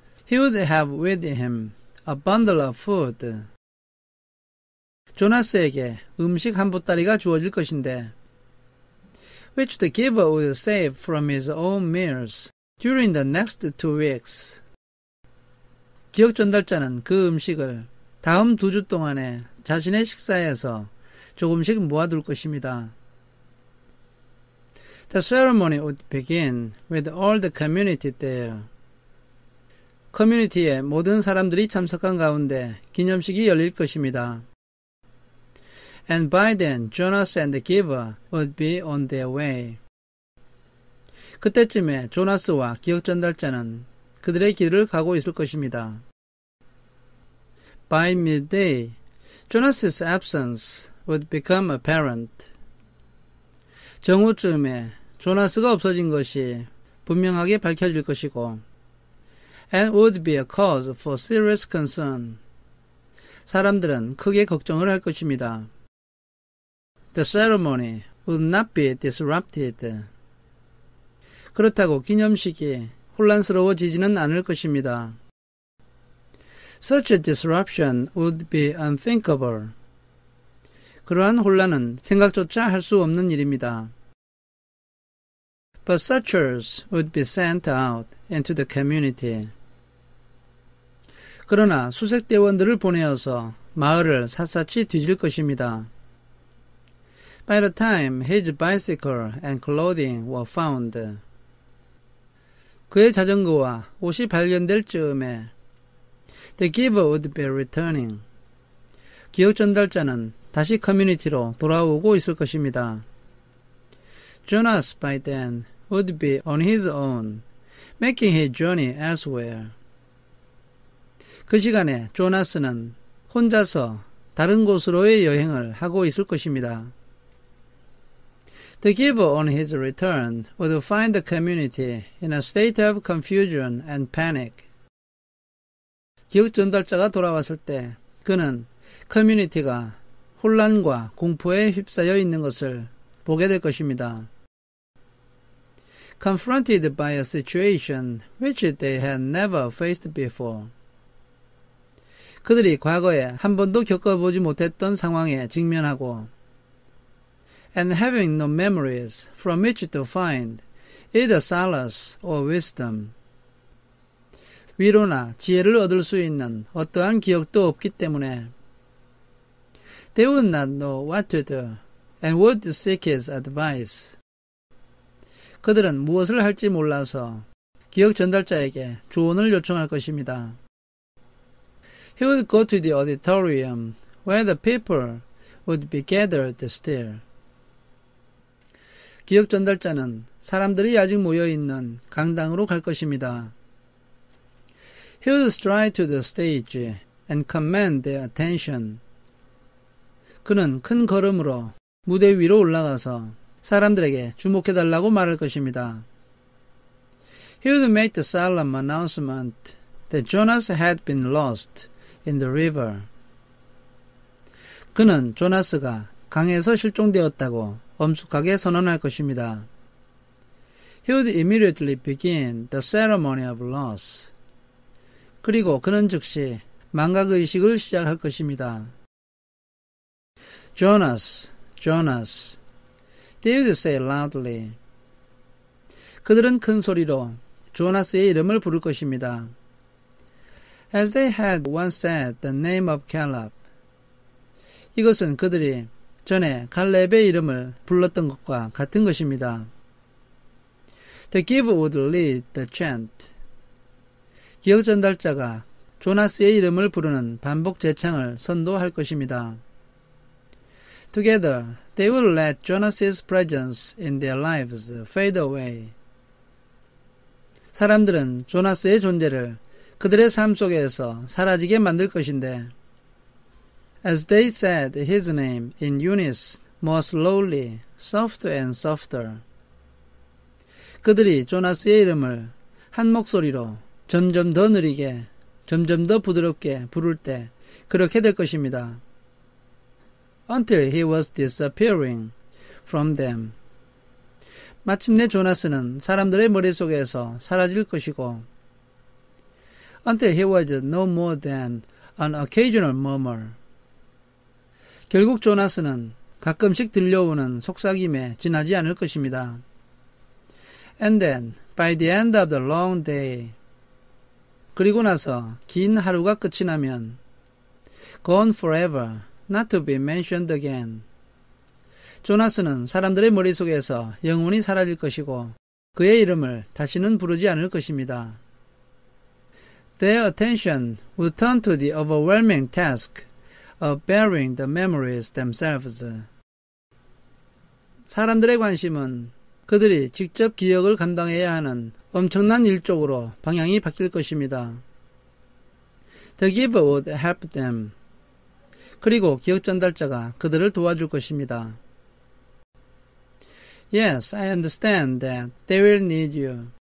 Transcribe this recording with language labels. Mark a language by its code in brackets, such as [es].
[en] He would have with him a bundle of food. [ko] 조나스에게 음식 한 보따리가 주어질 것인데 [en] which the giver would save from his own meals during the next 2 weeks. [ko] 기억 전달자는 그 음식을 다음 두 주 동안에 자신의 식사에서 조금씩 모아둘 것입니다. [en] The ceremony would begin with all the community there. [ko] 커뮤니티에 모든 사람들이 참석한 가운데 기념식이 열릴 것입니다. [en] And by then, Jonas and the giver would be on their way. [ko] 그때쯤에 조나스와 기억 전달자는 그들의 길을 가고 있을 것입니다. [en] By midday, Jonas's absence would become apparent. [ko] 정오쯤에 조나스가 없어진 것이 분명하게 밝혀질 것이고 [en] and would be a cause for serious concern. [ko] 사람들은 크게 걱정을 할 것입니다. [en] The ceremony would not be disrupted. [ko] 그렇다고 기념식이 혼란스러워지지는 않을 것입니다. [en] Such a disruption would be unthinkable. [ko] 그러한 혼란은 생각조차 할 수 없는 일입니다. [en] But searchers would be sent out into the community. [ko] 그러나 수색대원들을 보내어서 마을을 샅샅이 뒤질 것입니다. [en] By the time his bicycle and clothing were found, [ko] 그의 자전거와 옷이 발견될 즈음에 [en] the giver would be returning. [ko] 기억 전달자는 다시 커뮤니티로 돌아오고 있을 것입니다. [en] Jonas by then would be on his own, making his journey elsewhere. [ko] 그 시간에 조나스는 혼자서 다른 곳으로의 여행을 하고 있을 것입니다. [en] The giver on his return would find the community in a state of confusion and panic. [ko] 기억 전달자가 돌아왔을 때 그는 커뮤니티가 혼란과 공포에 휩싸여 있는 것을 보게 될 것입니다. [en] Confronted by a situation which they had never faced before. [ko] 그들이 과거에 한 번도 겪어보지 못했던 상황에 직면하고 [en] and having no memories from which to find either solace or wisdom. [ko] 위로나 지혜를 얻을 수 있는 어떠한 기억도 없기 때문에 [en] they would not know what to do and would seek his advice. [ko] 그들은 무엇을 할지 몰라서 기억 전달자에게 조언을 요청할 것입니다. [en] He would go to the auditorium where the people would be gathered still. [ko] 기억 전달자는 사람들이 아직 모여 있는 강당으로 갈 것입니다. [en] He would stride to the stage and command their attention. [ko] 그는 큰 걸음으로 무대 위로 올라가서 사람들에게 주목해 달라고 말할 것입니다. [en] He would make the solemn announcement that Jonas had been lost in the river. [ko] 그는 조나스가 강에서 실종되었다고 엄숙하게 선언할 것입니다. [en] He would immediately begin the ceremony of loss. [ko] 그리고 그는 즉시 망각의식을 시작할 것입니다. [en] Jonas, Jonas, they would say loudly. [ko] 그들은 큰 소리로 조나스의 이름을 부를 것입니다. [en] As they had once said the name of Caleb. [ko] 이것은 그들이 전에 갈렙의 이름을 불렀던 것과 같은 것입니다. [en] The giver would lead the chant. [ko] 기억 전달자가 조나스의 이름을 부르는 반복 재창을 선도할 것입니다. [en] Together, they will let Jonas's presence in their lives fade away. [ko] 사람들은 조나스의 존재를 그들의 삶 속에서 사라지게 만들 것인데 [en] As they said his name in unison, more slowly, softer and softer. [ko] 그들이 조나스의 이름을 한 목소리로 점점 더 느리게, 점점 더 부드럽게 부를 때 그렇게 될 것입니다. [en] Until he was disappearing from them. [ko] 마침내 조나스는 사람들의 머릿속에서 사라질 것이고 [en] Until he was no more than an occasional murmur. [ko] 결국 조나스는 가끔씩 들려오는 속삭임에 지나지 않을 것입니다. [en] And then, by the end of the long day. [ko] 그리고 나서 긴 하루가 끝이 나면 [en] Gone forever, not to be mentioned again. [ko] 조나스는 사람들의 머릿속에서 영원히 사라질 것이고 그의 이름을 다시는 부르지 않을 것입니다. [en] Their attention would turn to the overwhelming task of burying the memories themselves. [ko] 사람들의 관심은 그들이 직접 기억을 감당해야 하는 엄청난 일 쪽으로 방향이 바뀔 것입니다. [en] The giver would help them. [ko] 그리고 기억 전달자가 그들을 도와줄 것입니다. [en] Yes, I understand that they will need you.